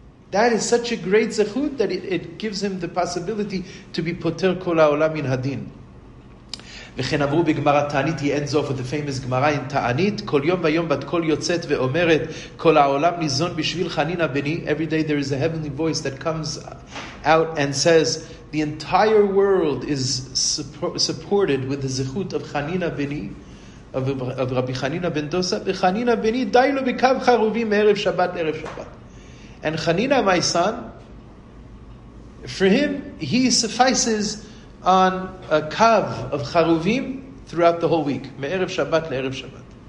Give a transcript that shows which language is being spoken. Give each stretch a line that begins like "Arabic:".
English: That is such a great zechut that it gives him the possibility to be poter kol haolam min hadin.
Hebrew: וכן עברו בגמרא תענית,
English: he ends off with the famous
Hebrew: גמרא in תענית, כל יום ויום בת קול יוצאת ואומרת, כל העולם ניזון בשביל חנינה בני.
English: Every day there is a heavenly voice that comes out and says, the entire world is supported with the זכות of חנינה בני, of רבי חנינה בן דוסה,
Hebrew: וחנינה בני די לו בקו חרובים ערב שבת
English: ערב שבת. And חנינה, my son, for him, he suffices on a kav of charuvim throughout the whole week,
Hebrew: me'erev Shabbat le'erev Shabbat.